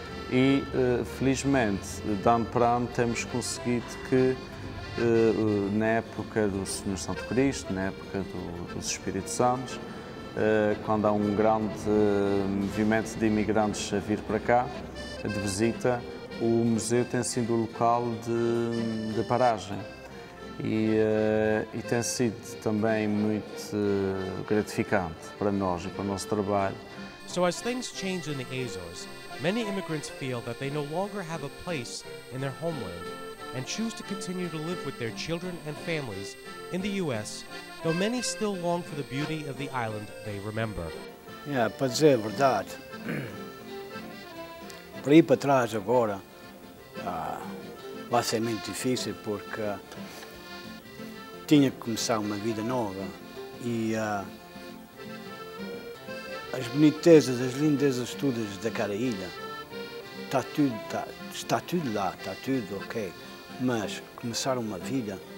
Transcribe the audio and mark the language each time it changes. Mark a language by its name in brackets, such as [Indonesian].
[Portuguese] E felizmente, de ano para ano, temos conseguido que, na época do Senhor Santo Cristo, na época dos Espíritos Santos, quando há um grande movimento de imigrantes a vir para cá, de visita, o museu tem sido o local de paragem. E tem sido também muito gratificante para nós e para o nosso trabalho. [English] So as things change in the Azores, many immigrants feel that they no longer have a place in their homeland and choose to continue to live with their children and families in the US, though many still long for the beauty of the island they remember. [Portuguese] Yeah, para dizer a verdade, para ir para trás agora vai ser muito difícil porque tinha que começar uma vida nova e as bonitezas, as lindezas todas daquela ilha, está tudo lá, está tudo ok, mas começar uma vida,